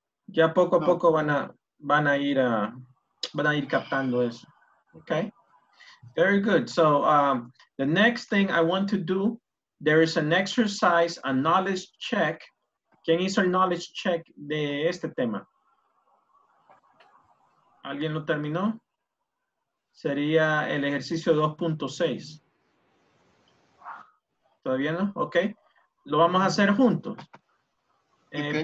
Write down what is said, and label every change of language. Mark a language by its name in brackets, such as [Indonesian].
[Spanish] Ya poco a poco van a ir captando eso. [English] Okay, very good. So the next thing I want to do, there is an exercise, a knowledge check. [Spanish] ¿Quién hizo el knowledge check de este tema? ¿Alguien lo terminó? Sería el ejercicio 2.6. ¿Todavía no? Ok. Lo vamos a hacer juntos. Okay.